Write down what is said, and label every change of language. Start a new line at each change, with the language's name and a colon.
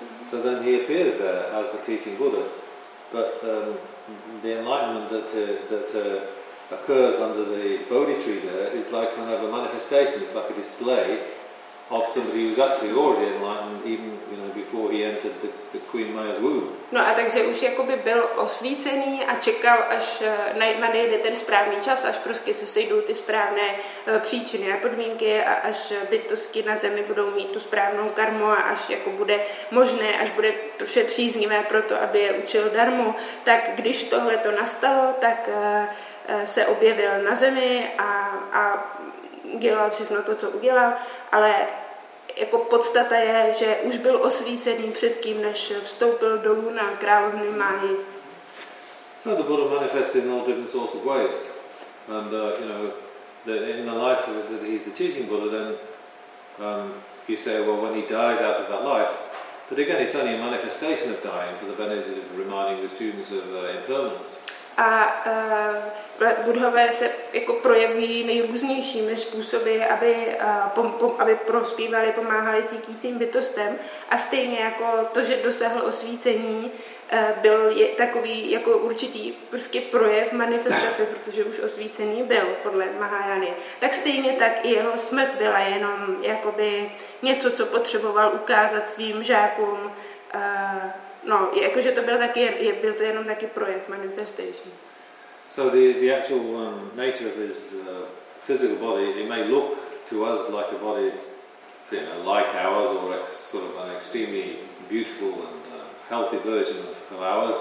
English: So then he appears there as the teaching Buddha. But the enlightenment that occurs under the Bodhi tree there is like kind of a manifestation, it's like a display of somebody who's actually already enlightened even, you know, before he entered the Queen Maya's womb.
Czech: No a takže už jakoby byl osvícený a čekal, až najde ten správný čas, až prostě se sejdou ty správné příčiny a podmínky a až bytosti na zemi budou mít tu správnou karmu a až jako bude možné, až bude vše příznivé pro to, aby je učil darmu, tak když tohle to nastalo, tak se objevil na zemi a udělal všechno to, co udělal, ale jako podstata je, že už byl osvícený předtím, než vstoupil dolů na královny Máji.
English: So the Buddha manifested in all different sorts of ways, and you know, in the life of it, that he's the teaching Buddha, then you say, well, when he dies out of that life, but again, it's only a manifestation of dying for the benefit of reminding the students of impermanence.
Czech: A Buddhové se jako projevují nejrůznějšími způsoby, aby prospívali, pomáhali cítícím bytostem. A stejně jako to, že dosáhl osvícení, byl takový jako určitý prostě projev manifestace, protože už osvícený byl podle Mahajany. Tak stejně tak i jeho smrt byla jenom jakoby něco, co potřeboval ukázat svým žákům. No, jakože to byl taky, byl to jenom taky projekt manifestation.
English: So the actual nature of his physical body, it may look to us like a body, you know, like ours, or sort of an extremely beautiful and healthy version of ours.